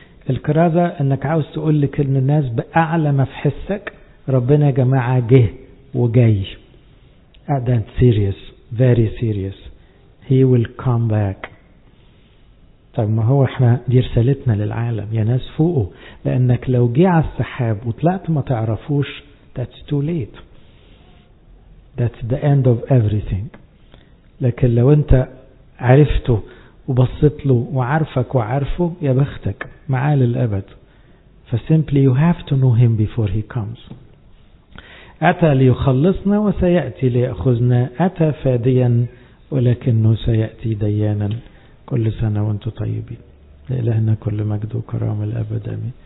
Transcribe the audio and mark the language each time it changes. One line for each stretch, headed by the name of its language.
Arabic: الكرازة انك عاوز تقول لكل الناس بأعلى ما في حسك ربنا يا جماعة جه وجاي.
English: أنت serious, very serious. He will come back.
Arabic: طب ما هو احنا دي رسالتنا للعالم يا ناس فوقه، لانك لو جي على السحاب وطلعت ما تعرفوش
English: that's too late. That's the end of everything.
Arabic: لكن لو انت عرفته وبصت له وعارفك وعارفه يا بختك معاه للأبد.
English: فsimply you have to know him before he comes.
Arabic: أتى ليخلصنا وسيأتي ليأخذنا، أتى فاديا ولكنه سيأتي ديانا. كل سنة وانتم طيبين. لإلهنا كل مجد وكرامة الأبد، آمين.